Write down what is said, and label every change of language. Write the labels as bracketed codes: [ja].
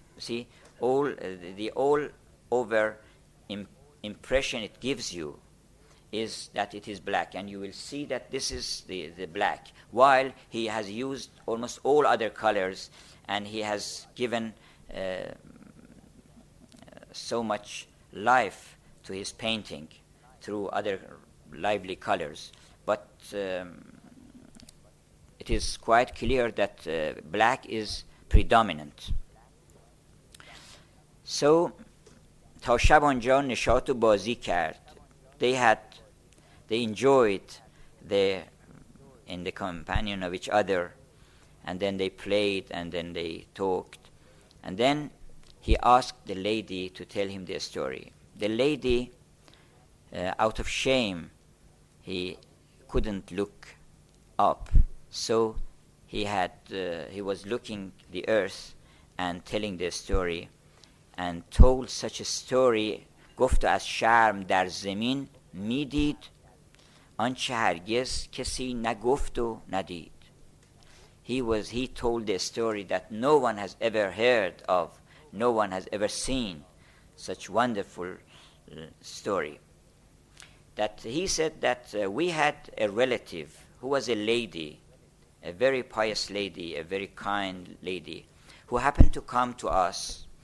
[en] See, all the all over impression it gives you is that it is black, and you will see that this is the black, while he has used almost all other colors, and he has given so much life to his painting through other lively colors. But it is quite clear that black is predominant. [fa] So, تا شب آنجا نشاط و بازی کرد. [en] They enjoyed in the companion of each other, and then they played, and then they talked. And then he asked the lady to tell him the story. The lady, out of shame, he couldn't look up. So he was looking the earth and telling the story, and told such a story. [fa] گفت از شرم در زمین میدید آنچه هرگز کسی نگفت و ندید. [en] He told the story that no one has ever heard of, no one has ever seen such wonderful story. That he said that we had a relative who was a lady, a very pious lady, a very kind lady, who happened to come to us.